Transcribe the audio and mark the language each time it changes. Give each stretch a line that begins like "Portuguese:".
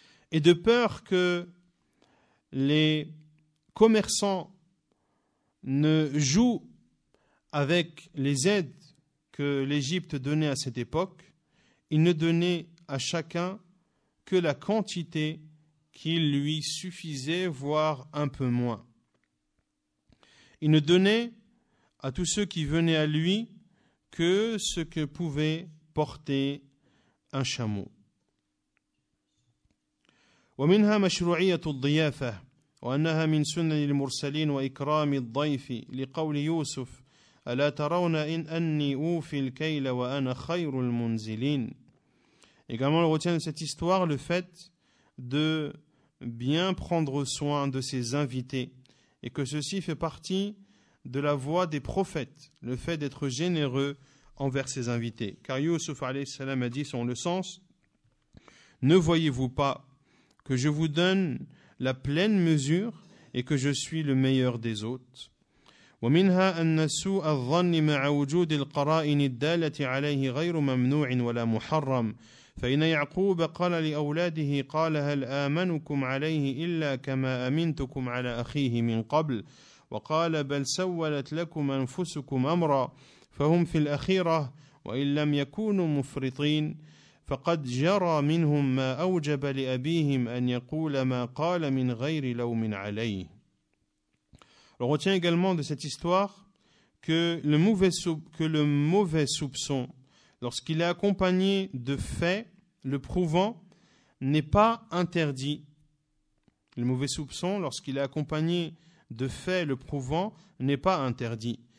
French: et de peur que les commerçants ne jouent avec les aides que l'Égypte donnait à cette époque, ils ne donnaient à chacun que la quantité qu'il lui suffisait, voire un peu moins. Il ne donnait à tous ceux qui venaient à lui que ce que pouvait porter un chameau.
Arabic: ومنها مشروعية الضيافة وأنها من سنن المرسلين وإكرام الضيف لقول يوسف ألا ترون إن أني أوفي الكيل وأنا خير المنزلين.
French: Également, on retient de cette histoire le fait de bien prendre soin de ses invités et que ceci fait partie de la voie des prophètes, le fait d'être généreux envers ses invités. Car Youssouf alayhi salam a dit, selon le sens, ne voyez-vous pas que je vous donne la pleine mesure et que je suis le meilleur des hôtes.
Arabic: ومنها أن سوء الظن مع وجود القرائن الدالة عليه غير ممنوع ولا محرم. فإن يعقوب قال لأولاده قال هل آمنكم عليه إلا كما أمنتكم على أخيه من قبل وقال بل سولت لكم أنفسكم أمرا فهم في الأخيرة وإن لم يكونوا مفرطين فقد جرى منهم ما أوجب لأبيهم أن يقول ما قال من غير لوم عليه.
French: On retient également de cette histoire que le mauvais soupçon, lorsqu'il est accompagné de faits le prouvant, n'est pas interdit. Le mauvais soupçon, lorsqu'il est accompagné de faits le prouvant, n'est pas interdit.